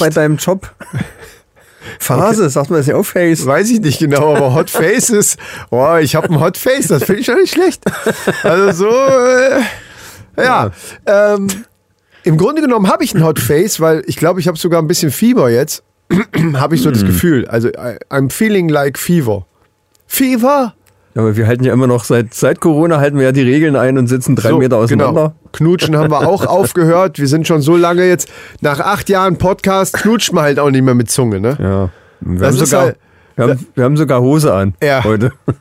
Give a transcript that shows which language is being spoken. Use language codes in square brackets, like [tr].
[de] Bei deinem Job. Phase, okay. Sagt man das ja auch Face. Weiß ich nicht genau, aber Hot Face ist. Boah, ich habe ein Hot Face. Das finde ich schon nicht schlecht. Also so. Ja. Im Grunde genommen habe ich ein Hot Face, weil ich glaube, ich habe sogar ein bisschen Fieber jetzt. Habe ich so das Gefühl. [en] Also, I'm feeling like Fever. Fever? [de] Ja, aber wir halten ja immer noch, seit Corona halten wir ja die Regeln ein und sitzen 3 Meter auseinander. Genau. Knutschen haben wir auch aufgehört. Wir sind schon so lange jetzt, nach 8 Jahren Podcast, knutscht man halt auch nicht mehr mit Zunge, ne? Ja. Wir haben sogar Hose an, ja, heute.